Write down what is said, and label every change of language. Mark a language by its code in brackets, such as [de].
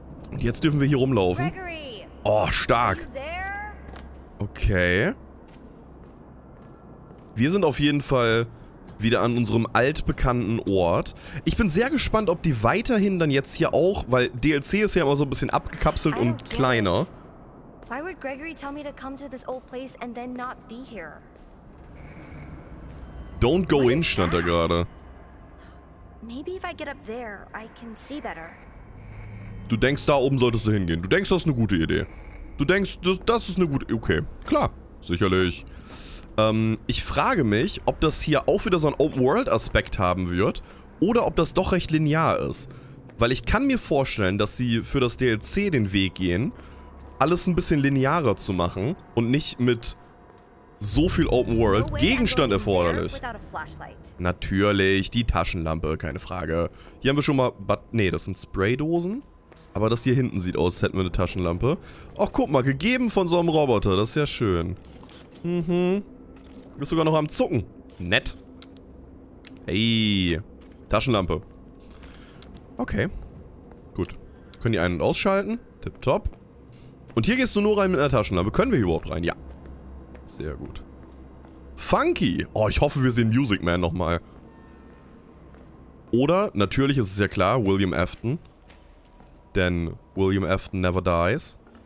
[de] Und jetzt dürfen wir hier rumlaufen. Oh, stark. Okay. Wir sind auf jeden Fall wieder an unserem altbekannten Ort. Ich bin sehr gespannt, ob die weiterhin dann jetzt hier auch, weil DLC ist ja immer so ein bisschen abgekapselt und kleiner. [en] Why would Gregory tell me to come to this old place and then not be here? Don't go in, [de] stand da gerade. [en] Maybe if I get up there, I can see better. [de] Du denkst, da oben solltest du hingehen. Du denkst, das ist eine gute Idee. Du denkst, das ist eine gute Idee. Okay, klar, sicherlich. Ich frage mich, ob das hier auch wieder so einen Open-World-Aspekt haben wird oder ob das doch recht linear ist. Weil ich kann mir vorstellen, dass sie für das DLC den Weg gehen, alles ein bisschen linearer zu machen und nicht mit so viel Open World. Gegenstand erforderlich. Natürlich, die Taschenlampe, keine Frage. Hier haben wir schon mal, nee, das sind Spraydosen. Aber das hier hinten sieht aus, als hätten wir eine Taschenlampe. Ach, guck mal, gegeben von so einem Roboter, das ist ja schön. Mhm. Bist sogar noch am Zucken. Nett. Hey. Taschenlampe. Okay. Gut. Können die ein- und ausschalten. Tipptopp. Und hier gehst du nur rein mit einer Taschenlampe. Können wir hier überhaupt rein? Ja. Sehr gut. Funky. Oh, ich hoffe, wir sehen Music Man nochmal. Oder, natürlich ist es ja klar, William Afton. Denn [en] William Afton never dies.